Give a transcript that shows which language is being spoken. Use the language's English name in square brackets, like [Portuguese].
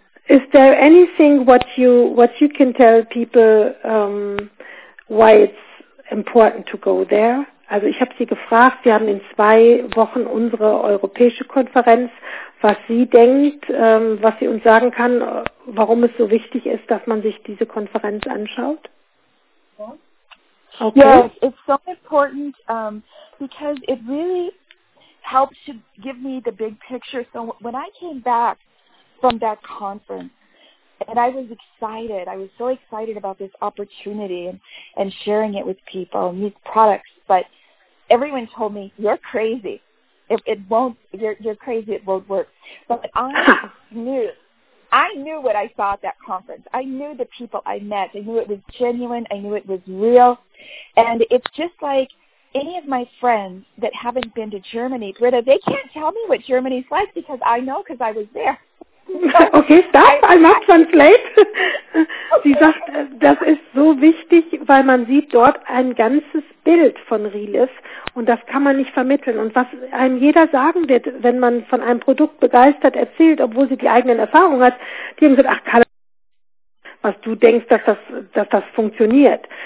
[English] Is there anything what you can tell people why it's important to go there? [German] Also ich habe sie gefragt, wir haben in 2 Wochen unsere europäische Konferenz, was sie denkt, was sie uns sagen kann, warum es so wichtig ist, dass man sich diese Konferenz anschaut. [English] Okay. Yes, it's so important because it really helps to give me the big picture. So when I came back from that conference, and I was excited. I was so excited about this opportunity and sharing it with people and these products. But everyone told me, you're crazy. It won't, you're crazy, it won't work. But I knew what I saw at that conference. I knew the people I met. I knew it was genuine. I knew it was real. And it's just like any of my friends that haven't been to Germany, Britta, they can't tell me what Germany's like because I know because I was there. Okay, stop, I must translate. [German] Sie sagt, das ist so wichtig, weil man sieht dort ein ganzes Bild von Relief und das kann man nicht vermitteln. Und was einem jeder sagen wird, wenn man von einem Produkt begeistert erzählt, obwohl sie die eigenen Erfahrungen hat, die haben gesagt, ach Carla, was du denkst, dass das funktioniert.